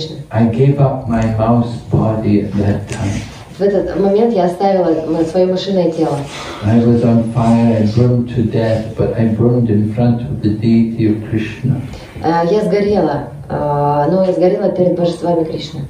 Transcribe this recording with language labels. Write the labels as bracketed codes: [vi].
[en] I gave up my mouse body at that time. [ru] В этот момент я оставила свое мышиное тело. [en] I was on fire, I burned to death, but I burned in front of the deity of Krishna. [ru] Я сгорела, но я сгорела перед божествами Кришны.